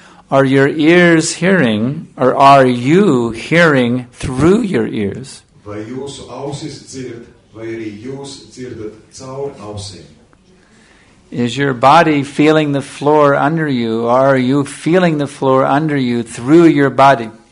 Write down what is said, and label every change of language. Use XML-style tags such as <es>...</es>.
<en>Are your ears hearing, or are you hearing through your ears?</en> <lv>Vai jūsu ausis dzird, vai arī jūs dzirdat caur ausīm?</lv> <en>Is your body feeling the floor under you, or are you feeling the floor under you through your body?</en>